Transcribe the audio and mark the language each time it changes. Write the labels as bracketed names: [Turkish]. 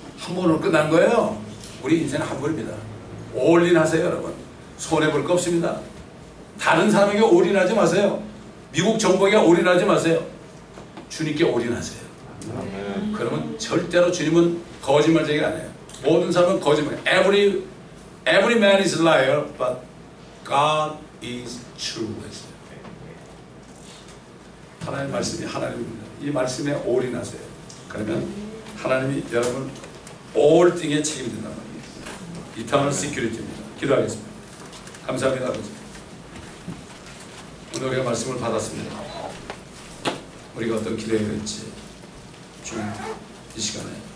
[Korean] 한 번으로 끝난 거예요. 우리 인생은 한 번입니다. 올인하세요 여러분. 손해볼 거 없습니다. 다른 사람에게 올인하지 마세요. 미국 정부에게 올인하지 마세요. 주님께 올인하세요. 그러면 절대로 주님은 거짓말쟁이 아니에요. 모든 사람은 거짓말. [English] Every man is liar, but God is true. [Korean] 하나님 말씀이 하나님입니다. 이 말씀에 올인하세요. 그러면 하나님이 여러분 [English] all thing [Korean] 에 책임진단 말이에요. [English] Eternal security [Korean] 입니다. 기도하겠습니다. 감사합니다, 아버지. 오늘 우리가 말씀을 받았습니다. 우리가 어떤 기대를 했지, 주님 이 시간에.